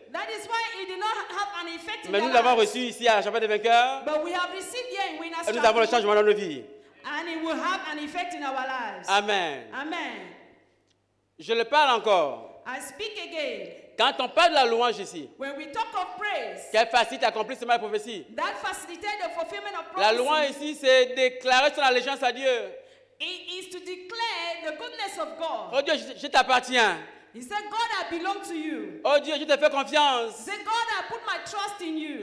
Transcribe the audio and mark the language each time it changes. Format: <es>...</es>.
<en>That is why it did not have an effect</en> <fr>mais</fr> <en>in their</en> <fr>nous l'avons reçu ici à la chapelle des vainqueurs.</fr> <en>But we have received here in Winners.</en> <fr>Et nous avons le changement dans nos vies.</fr> <en>And it will have an effect in our lives.</en> <fr>Amen.</fr> <en>Amen.</en> <fr>Je le parle encore.</fr> <en>I speak again.</en> <fr>Quand on parle de la louange ici,</fr> <en>when we talk of praise,</en> <fr>qu'elle facilite l'accomplissement de la prophétie.</fr> <en>That facilitated the fulfillment of prophecy.</en> <fr>La louange ici, c'est déclarer son allégeance à Dieu.</fr> <en>It is to declare the goodness of God.</en> <fr>Oh Dieu, je t'appartiens.</fr> <en>He said, God, I belong to you.</en> <fr>Oh Dieu, je te fais confiance.</fr> <en>He said, God, I put my trust in you.</en>